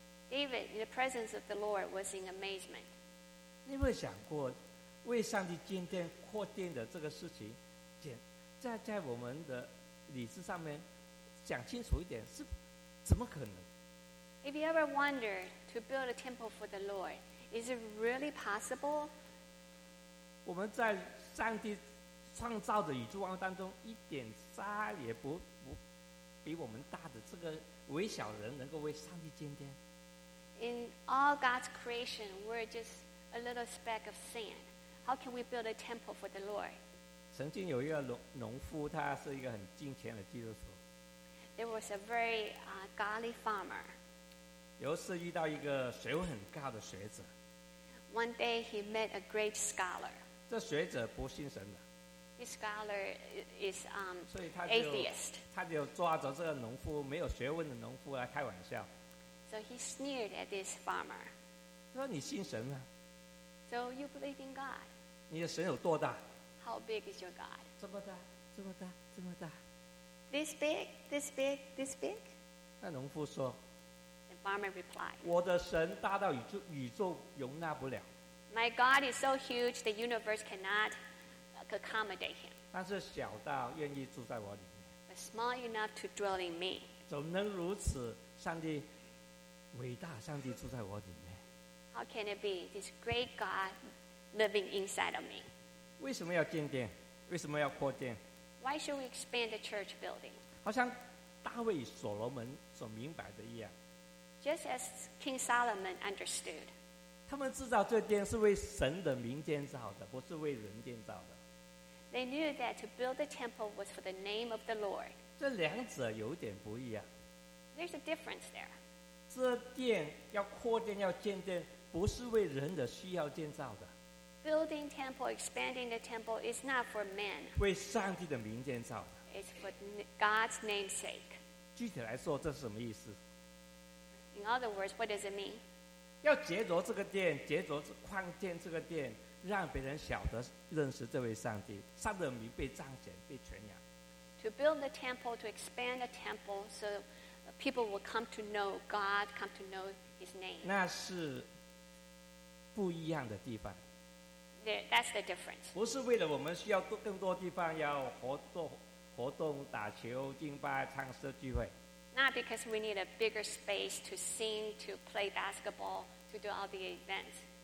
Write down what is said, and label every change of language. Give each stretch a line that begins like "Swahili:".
English: David, in the presence of the Lord, was in amazement.
Chinese: 你有没有想过？为上帝建殿扩殿的这个事情，在我们的理智上面讲清楚一点，是怎么可能？
English: If you ever wonder to build a temple for the Lord, is it really possible?
Chinese: 我们在上帝创造的宇宙万物当中，一点沙也不比我们大的这个微小人能够为上帝建殿。
English: In all God's creation, we're just a little speck of sand. How can we build a temple for the Lord?
Chinese: 曾经有一个农夫，他是一个很敬虔的基督徒。
English: There was a very godly farmer.
Chinese: 有一次遇到一个学问很高的学者。
English: One day he met a great scholar.
Chinese: 这学者不信神的。
English: This scholar is atheist.
Chinese: 所以他就抓着这个农夫没有学问的农夫来开玩笑。
English: So he sneered at this farmer.
Chinese: 说你信神吗？
English: So you believe in God?
Chinese: 你的神有多大？
English: How big is your God?
Chinese: 这么大，这么大，这么大。
English: This big, this big, this big.
Chinese: 那农夫说。
English: The farmer replied.
Chinese: 我的神大到宇宙容纳不了。
English: My God is so huge the universe cannot accommodate him.
Chinese: 但是小到愿意住在我里面。
English: But small enough to dwell in me.
Chinese: 怎么能如此？上帝。伟大上帝住在我里面。
English: How can it be this great God living inside of me?
Chinese: 为什么要建殿？为什么要扩建？
English: Why should we expand the church building?
Chinese: 好像大卫与所罗门所明白的一样。
English: Just as King Solomon understood.
Chinese: 他们制造这殿是为神的名建造的，不是为人建造的。
English: They knew that to build the temple was for the name of the Lord.
Chinese: 这两者有点不一样。
English: There's a difference there.
Chinese: 这殿要扩建要建殿不是为人的需要建造的
English: building temple expanding the temple is not for men
Chinese: 为上帝的名建造的
English: it's for God's namesake
Chinese: 具体来说这是什么意思
English: in other words what does it mean
Chinese: 要藉着这个殿藉着矿建这个殿让别人晓得认识这位上帝上帝的名被彰显被传扬
English: to build the temple to expand the temple soPeople will come to know God, come to know His name.
Chinese: 那是不一样的地方。
English: That's the difference.
Chinese: 不是为了我们需要更多地方要活动、打球、敬拜、唱诗聚会。
English: Not because we need a bigger space to sing, to play basketball, to do all the events.